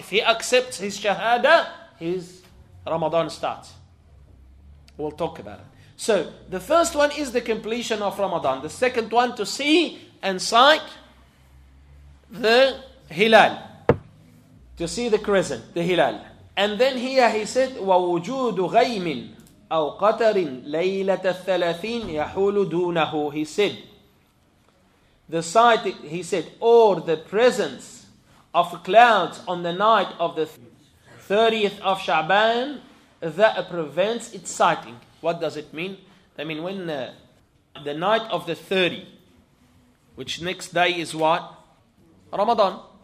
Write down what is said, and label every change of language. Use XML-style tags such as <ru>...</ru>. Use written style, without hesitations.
<en>If he accepts his shahada, his Ramadan starts. We'll talk about it. So, the first one is the completion of Ramadan. The second one to see and sight the Hilal. To see the crescent, the Hilal. And then here he said,</en> <ar>وَوُجُودُ غَيْمٍ أَوْ قَتَرٍ لَيْلَةَ الثَّلَاثِينَ يَحُولُ دُونَهُ.</ar> <en>He said, the sight, he said, or the presence of clouds on the night of the 30th of Sha'ban that prevents its sighting. What does it mean? I mean, when the night of the 30, which next day is what? Ramadan.</en>